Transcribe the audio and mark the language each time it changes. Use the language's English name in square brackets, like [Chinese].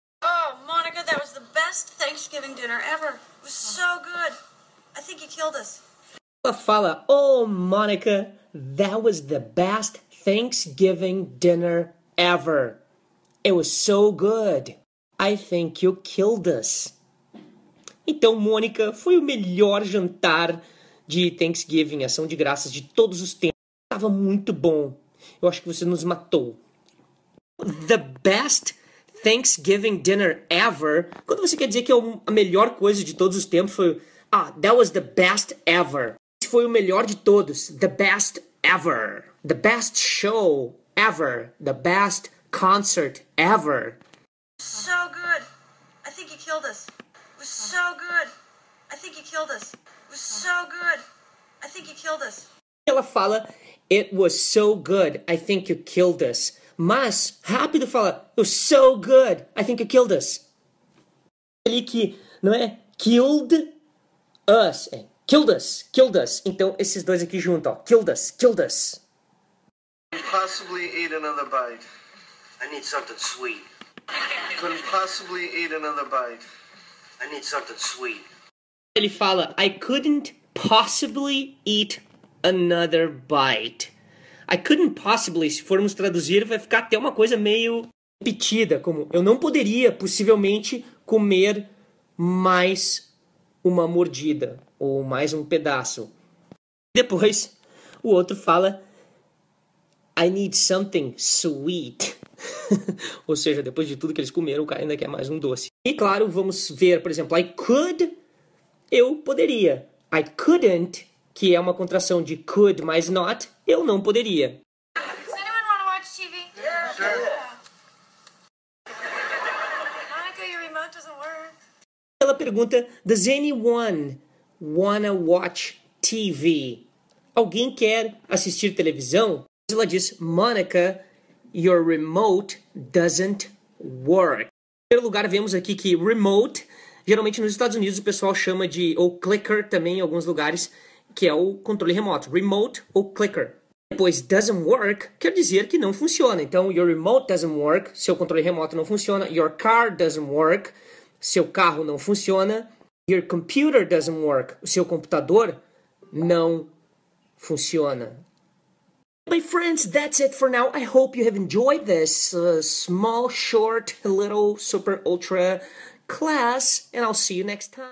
[English] Oh, Monica, that was the best Thanksgiving dinner ever. It was so good. I think you killed us. Fala, Monica, that was the best Thanksgiving dinner ever. It was so good. I think you killed us. [Portuguese] Então, Monica, foi o melhor jantar de Thanksgiving, ação de graças de todos os tempos. Estava muito bom. Eu acho que você nos matou. [English] The best Thanksgiving dinner ever. [Portuguese] Quando você quer dizer que é a melhor coisa de todos os tempos, foi... [English] Ah, that was the best ever. [Portuguese] Esse foi o melhor de todos. [English] The best ever. The best show ever. The best concert ever. So good. I think you killed us. It was so good. I think you killed us. It was so good. I think you killed us. [Portuguese] Ela fala... [English] It was so good. I think you killed us. [Portuguese] Mas, rápido fala. [English] It was so good. I think you killed us. [Portuguese] Ali que, não é? [English] Killed us. É, killed us. Killed us. [Portuguese] Então, esses dois aqui juntos, ó. [English] Killed us. Killed us. Couldn't possibly eat another bite. I need something sweet. Couldn't possibly eat another bite. I need something sweet. [Portuguese] Ele fala. [English] I couldn't possibly eat another bite. I couldn't possibly, [Portuguese] se formos traduzir, vai ficar até uma coisa meio repetida, como eu não poderia possivelmente comer mais uma mordida ou mais um pedaço. Depois, o outro fala [English] I need something sweet. [Portuguese] Ou seja, depois de tudo que eles comeram, o cara ainda quer mais um doce. E claro, vamos ver, por exemplo, [English] I could, [Portuguese] eu poderia. [English] I couldn't, [Portuguese] que é uma contração de could mais not, eu não poderia. [English] Does anyone want to watch TV? Yeah, sure. Yeah. Monica, your remote doesn't work. [Portuguese] Ela pergunta, [English] does anyone wanna watch TV? [Portuguese] Alguém quer assistir televisão? Ela diz, [English] Monica, your remote doesn't work. [Portuguese] Em primeiro lugar, vemos aqui que remote, geralmente nos Estados Unidos o pessoal chama de, ou clicker também em alguns lugares, que é o controle remoto, remote ou clicker. Depois, doesn't work, quer dizer que não funciona. Então, [English] your remote doesn't work, [Portuguese] seu controle remoto não funciona. [English] Your car doesn't work, [Portuguese] seu carro não funciona. [English] Your computer doesn't work, [Portuguese] o seu computador não funciona. [English] My friends, that's it for now. I hope you have enjoyed this small, short, little, super, ultra class. And I'll see you next time.